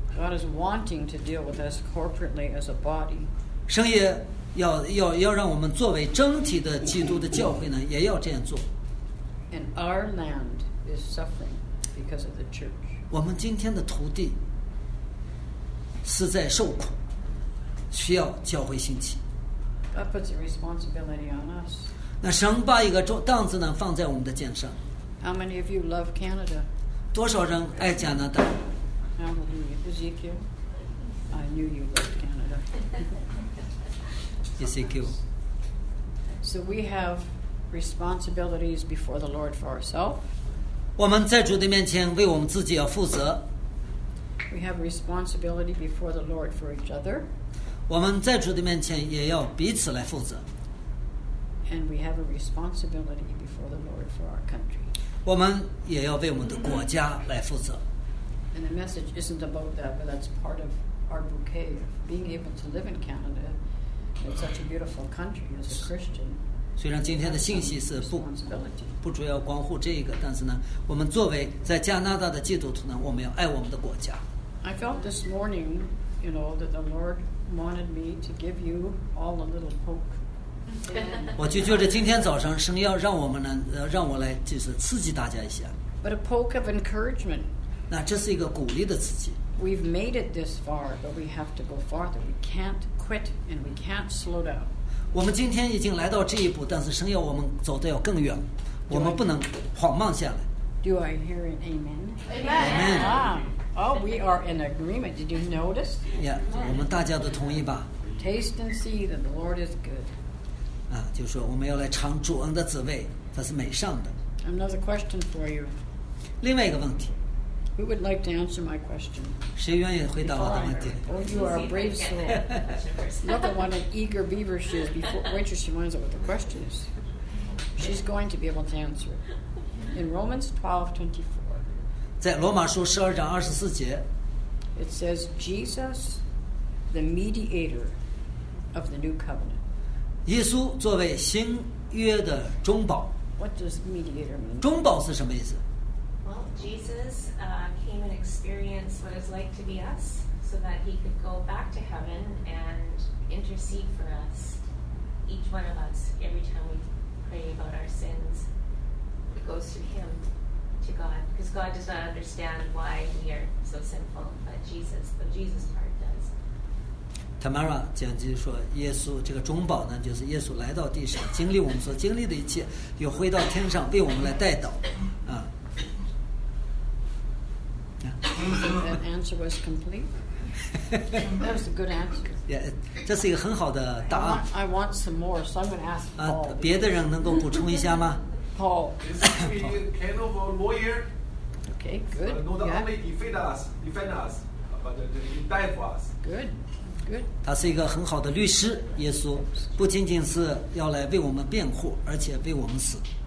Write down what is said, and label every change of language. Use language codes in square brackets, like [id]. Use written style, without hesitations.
[en] God is wanting to deal with us corporately as a body. [zh] 神也要让我们作为整体的基督的教会呢，也要这样做。 [en] And our land is suffering because of the church. [zh] 我们今天的徒弟是在受苦，需要教会兴起。 [en] That puts a responsibility on us. [zh] 那神把一个担子呢放在我们的肩上。 [en] How many of you love Canada? [zh] 多少人爱加拿大 [en] ？Hallelujah, Ezekiel. I knew you loved Canada. Ezekiel. So we have responsibilities before the Lord for ourselves. [zh] 我们在主的面前为我们自己要负责。 [en] We have responsibility before the Lord for each other. [zh] 我们在主的面前也要彼此来负责。 [en] And we have a responsibility before the Lord for our country. [zh] 我们也要为我们的国家来负责。 [en] And the message isn't about that, but that's part of our bouquet of being able to live in Canada, in such a beautiful country as a Christian. [zh] 虽然今天的信息是不主要关乎这个，但是呢，我们作为在加拿大的基督徒呢，我们要爱我们的国家。 [en] I felt this morning, you know, that the Lord wanted me to give you all a little poke. [zh] 我就觉得今天早上神要让我们呢，让我来就是刺激大家一下。 [en] But a poke of encouragement. [zh] 那这是一个鼓励的刺激。 [en] We've made it this far, but we have to go farther. We can't quit and we can't slow down. [zh] 我们今天已经来到这一步，但是神要我们走得要更远，我们不能缓慢下来。 [en] Do I hear an amen? Amen. Oh, we are in agreement. Did you notice? [zh] Yeah, 我们大家都同意吧。 [en] Taste and see that the Lord is good. [zh] 啊，就是说我们要来尝主恩的滋味，它是美善的。 [en] Another question for you. [zh] 另外一个问题。 [en] Who would like to answer my question? [zh] 谁愿意回答我的问题？ [en] Oh, you are a brave soul. Look at what an eager beaver she is. Before winter, she winds up with a question. She's going to be able to answer. In Romans 12:24. [zh] 在罗马书十二章二十四节。 [en] It says Jesus, the mediator of the new covenant. [zh] 耶稣作为新约的中保。 [en] What does mediator mean? [zh] 中保是什么意思？ [en] Jesus came and experienced what it's like to be us so that he could go back to heaven and intercede for us, each one of us, every time we pray about our sins. It goes to him, to God, because God does not understand why we are so sinful, but Jesus, the Jesus part does. [zh] Tamara 讲就是说耶稣这个中保呢，就是耶稣来到地上，经历我们所经历的一切，又回到天上为我们来代祷。 [en] That answer was complete. That was a good answer. [zh] Yeah, 这是一个很好的答案。 [en] I want some more, so I'm going to ask Paul. [zh] 别的人能够补充一下吗 [en] ？Paul, is he a kind of a lawyer? Okay, good. Not only defend us, but die for us. Good. [zh] 他是一个很好的律师，耶稣不仅仅是要来为我们辩护，而且为我们死。